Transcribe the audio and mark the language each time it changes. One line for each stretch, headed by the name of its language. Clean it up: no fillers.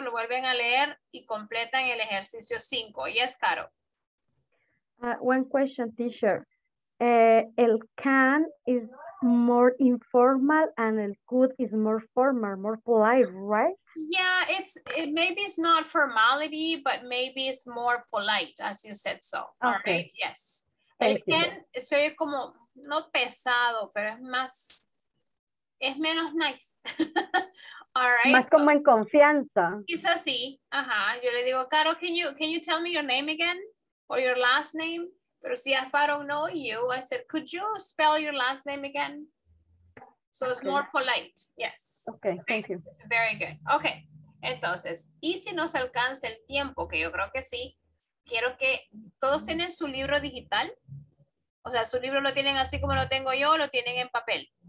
Spanish: Lo vuelven a leer y completan el ejercicio 5.
English: Yes, Caro. One question, teacher. El can is more informal and el could is more formal, more polite, right? Yeah, maybe it's not formality, but maybe it's more polite, as you said so. Okay. All right, yes.
Spanish: El can se oye como no pesado, pero es menos nice.
English: All right.
Spanish: Más como en confianza. Es así. Ajá. Yo le digo, Caro,
English: can you tell me your name again or your last name?
Spanish: Pero si
English: if I don't know you, I said, could you spell your last name again? So it's more polite. Yes. Okay, thank you. Very good. Okay.
Spanish: Entonces, y si nos alcanza el tiempo, que yo creo que sí, quiero que todos tienen su libro digital. O sea, su libro lo tienen así como lo tengo yo, o lo tienen en papel.